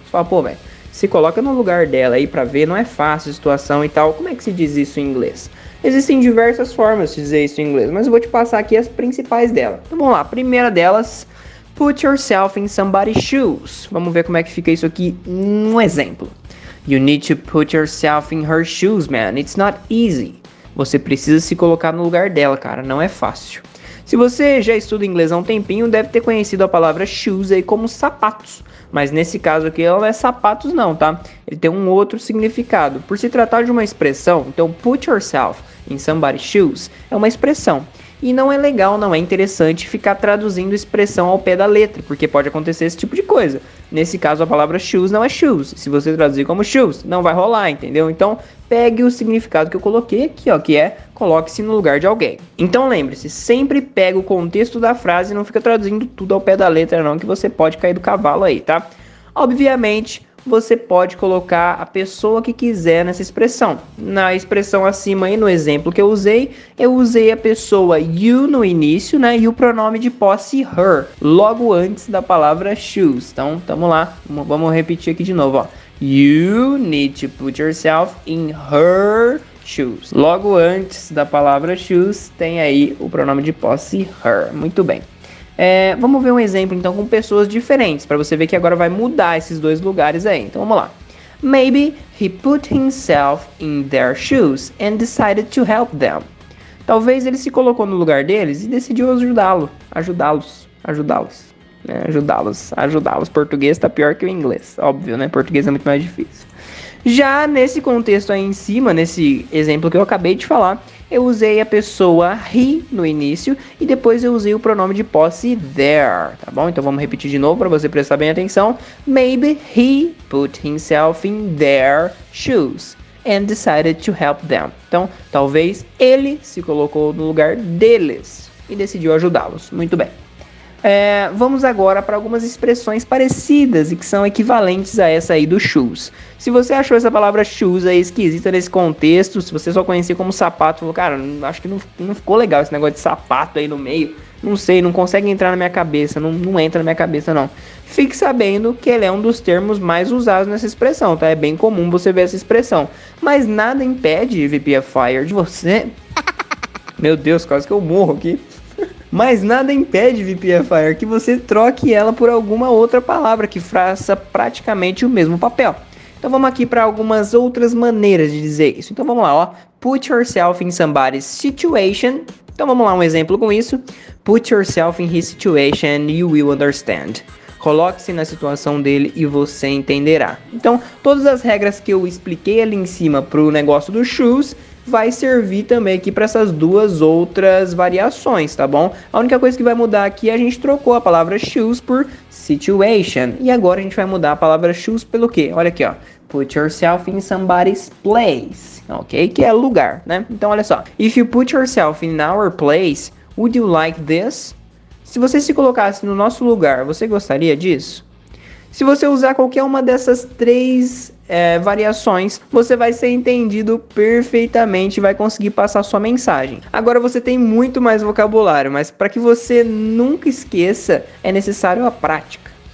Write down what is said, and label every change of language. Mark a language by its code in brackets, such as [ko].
[pt] Você fala, pô, velho, se coloca no lugar dela aí para ver, não é fácil a situação e tal. Como é que se diz isso em inglês? Existem diversas formas de dizer isso em inglês, mas eu vou te passar aqui as principais delas. Então vamos lá, a primeira delas, [en] put yourself in somebody's shoes. [pt] Vamos ver como é que fica isso aqui num exemplo. [en] You need to put yourself in her shoes, man. It's not easy. [pt] Você precisa se colocar no lugar dela, cara. Não é fácil. Se você já estuda inglês há um tempinho, deve ter conhecido a palavra shoes aí como sapatos. Mas nesse caso aqui, ela não é sapatos não, tá? Ele tem um outro significado. Por se tratar de uma expressão, então [en] put yourself in somebody's shoes [pt] é uma expressão. E não é legal, não é interessante ficar traduzindo expressão ao pé da letra, porque pode acontecer esse tipo de coisa. Nesse caso, a palavra shoes não é shoes. Se você traduzir como shoes, não vai rolar, entendeu? Então, pegue o significado que eu coloquei aqui, ó, que é coloque-se no lugar de alguém. Então, lembre-se, sempre pega o contexto da frase e não fica traduzindo tudo ao pé da letra, não, que você pode cair do cavalo aí, tá? Obviamente, você pode colocar a pessoa que quiser nessa expressão. Na expressão acima e no exemplo que eu usei a pessoa you no início, né? E o pronome de posse her, logo antes da palavra shoes. Então, tamo lá. Vamos repetir aqui de novo, ó. [en] You need to put yourself in her shoes. [pt] Logo antes da palavra shoes, tem aí o pronome de posse her. Muito bem. Vamos ver um exemplo, então, com pessoas diferentes, para você ver que agora vai mudar esses dois lugares aí. Então, vamos lá. [en] Maybe he put himself in their shoes and decided to help them. [pt] Talvez ele se colocou no lugar deles e decidiu ajudá-los. Português tá pior que o inglês, óbvio, né? Português é muito mais difícil. Já nesse contexto aí em cima, nesse exemplo que eu acabei de falar, eu usei a pessoa he no início e depois eu usei o pronome de posse there, tá bom? Então vamos repetir de novo para você prestar bem atenção. [en] Maybe he put himself in their shoes and decided to help them. [pt] Então, talvez ele se colocou no lugar deles e decidiu ajudá-los. Muito bem. Vamos agora para algumas expressões parecidas e que são equivalentes a essa aí do shoes. Se você achou essa palavra shoes aí esquisita nesse contexto, se você só conhecia como sapato, falou, cara, acho que não ficou legal esse negócio de sapato aí no meio, não sei, não consegue entrar na minha cabeça, não entra na minha cabeça não. Fique sabendo que ele é um dos termos mais usados nessa expressão, tá? É bem comum você ver essa expressão. Mas nada impede, VPFire, de você... Meu Deus, quase que eu morro aqui. Mas nada impede, VPFire, que você troque ela por alguma outra palavra que faça praticamente o mesmo papel. Então vamos aqui para algumas outras maneiras de dizer isso. Então vamos lá, ó. [en] Put yourself in somebody's situation. [pt] Então vamos lá, um exemplo com isso. [en] Put yourself in his situation and you will understand. [pt] Coloque-se na situação dele e você entenderá. Então, todas as regras que eu expliquei ali em cima pro negócio do shoes vai servir também aqui para essas duas outras variações, tá bom? A única coisa que vai mudar aqui é a gente trocou a palavra shoes por situation. E agora a gente vai mudar a palavra shoes pelo quê? Olha aqui, ó. [en] Put yourself in somebody's place, ok? [pt] Que é lugar, né? Então, olha só. [en] If you put yourself in our place, would you like this? [pt] Se você se colocasse no nosso lugar, você gostaria disso? Se você usar qualquer uma dessas três... variações, você vai ser entendido perfeitamente e vai conseguir passar sua mensagem. Agora você tem muito mais vocabulário, mas para que você nunca esqueça, é necessário a prática.